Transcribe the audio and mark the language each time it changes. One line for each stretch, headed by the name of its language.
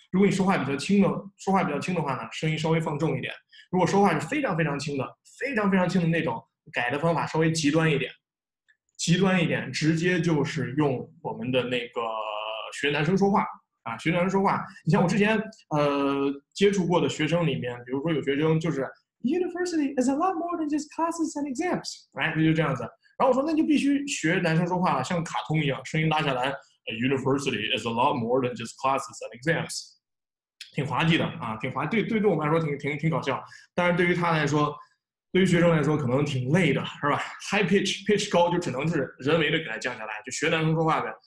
Chinese: 如果你说话比较轻的，说话比较轻的话呢，声音稍微放重一点；如果说话是非常非常轻的，非常非常轻的那种，改的方法稍微极端一点，极端一点，直接就是用我们的那个学男生说话学男生说话。你像我之前接触过的学生里面，比如说有学生就是
English: University is a lot more than just classes and exams，right？
Chinese: 就这样子。然后我说，那就必须学男生说话了，像卡通一样，声音拉下来。
English: University is a lot more than just classes and exams，
Chinese: 挺滑稽的挺滑。对我们来说挺搞笑，但是对于他来说，对于学生来说可能挺累的，是吧？High pitch 高就只能是人为的给他降下来，就学男生说话呗。